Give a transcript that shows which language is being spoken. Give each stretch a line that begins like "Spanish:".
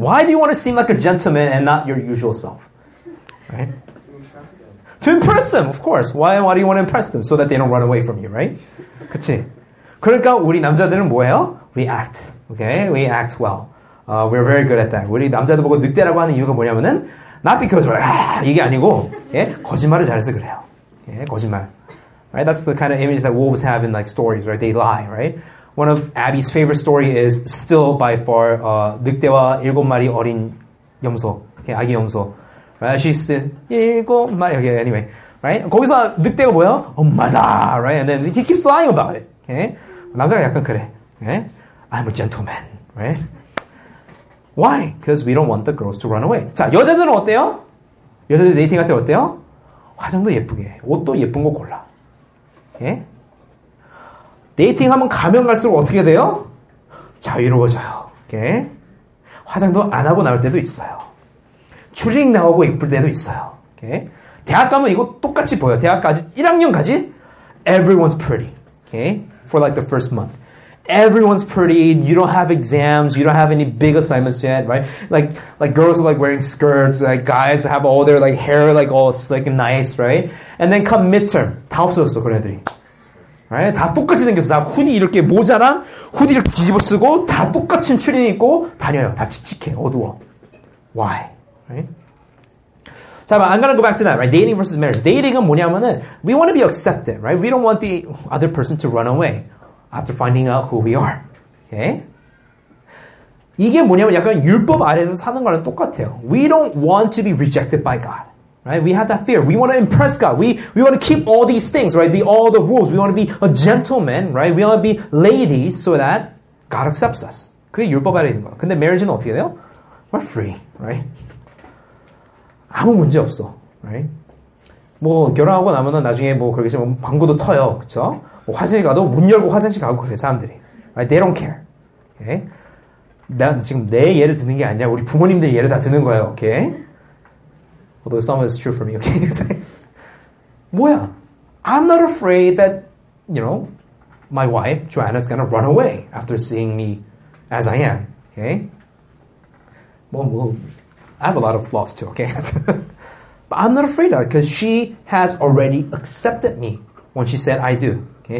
English: Why do you want to seem like a gentleman and not your usual self? Right? To impress them, of course. Why do you want to impress them? So that they don't run away from you, right?
Korean: 그치? 그러니까 우리 남자들은 뭐예요?
English: We act. Okay? We act well. We're very good at that.
Korean: 우리 남자들 보고 늑대라고 하는 이유가 뭐냐면은
English: not because we're like,
Korean: 이게 아니고 예? 거짓말을 잘해서 그래요. 예? 거짓말. Right?
English: That's the kind of image that wolves have in like stories, right? They lie, right? One of Abby's favorite stories is still by far
Korean: 늑대와 일곱 마리 어린 염소,
English: okay,
Korean: 아기 염소.
English: Right? She's the 일곱 마리. Okay, anyway, right?
Korean: 거기서 늑대가 뭐야? 엄마다,
English: right? And then he keeps lying about it. Okay,
Korean: 남자가 약간 그래.
English: Okay? I'm a gentleman, right? Why? Because we don't want the girls to run away.
Korean: 자, 여자들은 어때요? 여자들 데이팅할 때 어때요? 화장도 예쁘게, 옷도 예쁜 거 골라. Okay? 데이팅하면 가면 갈수록 어떻게 돼요? 자유로워져요. 오케이? 화장도 안 하고 나올 때도 있어요. 줄링 나오고 이쁠 때도 있어요. 오케이? 대학 가면 이거 똑같이 보여. 대학 가지 1학년 가지?
English: Everyone's pretty. 오케이? For like the first month. Everyone's pretty. You don't have exams. You don't have any big assignments yet, right? Like girls are like wearing skirts. Like guys have all their like hair like all slick and nice, right? And then come midterm.
Korean: 다 없어졌어, 그런 애들이. Right? 다 똑같이 생겼어. 다 후디 이렇게 모자랑 후디 이렇게 뒤집어 쓰고 다 똑같은 추리닝 입고 다녀요. 다 칙칙해. 어두워.
English: Why? Right? 자, I'm gonna go back to that. Right? Dating versus marriage.
Korean: Dating은 뭐냐면은
English: we want to be accepted. Right? We don't want the other person to run away after finding out who we are. Okay?
Korean: 이게 뭐냐면 약간 율법 아래에서 사는 거랑 똑같아요.
English: We don't want to be rejected by God. Right? We have that fear. We want to impress God. We want to keep all these things, right? All the rules. We want to be a gentleman, right? We want to be ladies so that God accepts us.
Korean: 그게 율법 아래에 있는 거야. 근데 marriage는 어떻게 돼요?
English: We're free,
Korean: right? 아무 문제 없어, right? 뭐 결혼하고 나면은 나중에 뭐 그렇게 좀 방구도 터요, 그쵸? 뭐 화장실 가도 문 열고 화장실 가고 그래, 사람들이.
English: Right? They don't care. Okay?
Korean: 난 지금 내 예를 드는 게 아니라 우리 부모님들 예를 다 드는 거예요, okay?
English: Although some of it's true for me, okay?
Korean: 뭐야?
English: I'm not afraid that, you know, my wife, Joanna, is gonna run away after seeing me as I am, okay? Well, I have a lot of flaws too, okay? But I'm not afraid of it because she has already accepted me when she said I do, okay?